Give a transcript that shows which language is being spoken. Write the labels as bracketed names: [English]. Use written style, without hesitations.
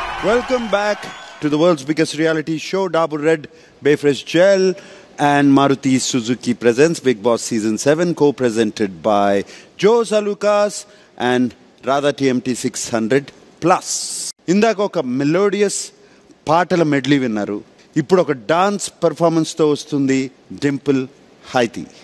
[English] Welcome back to the world's biggest reality show. Dabur red bae fresh gel and Maruti Suzuki presents Bigg Boss Season 7, co-presented by Joe Salukas and Radha TMT 600 Plus. [Telugu] ఇందాక ఒక melodious పాటల medley విన్నారు, ఇప్పుడు ఒక dance performance తో వస్తుంది డింపుల్ హైతి.